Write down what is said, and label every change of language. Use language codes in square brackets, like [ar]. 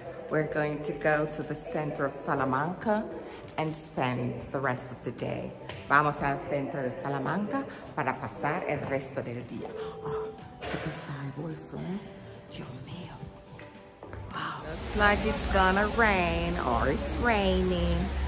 [en] We're going to go to the center of Salamanca and spend the rest of the day. [es] Vamos al centro de Salamanca para pasar el resto del día. Oh, qué pesado el bolso, eh? Dios mío. Wow. [en] Looks like it's gonna rain or it's raining.